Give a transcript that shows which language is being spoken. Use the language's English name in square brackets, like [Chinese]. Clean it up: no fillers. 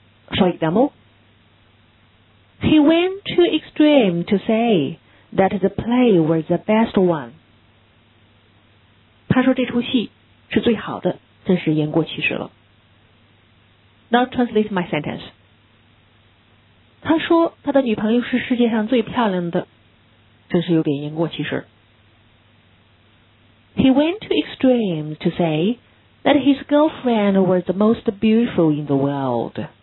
[English] For example, he went to extreme to say that the play was the best one. [Chinese] 他说这出戏是最好的，真是言过其实了。 [English] Now translate my sentence. [Chinese] 他说他的女朋友是世界上最漂亮的，真是有点言过其实。 [English] He went to extremes to say that his girlfriend was the most beautiful in the world.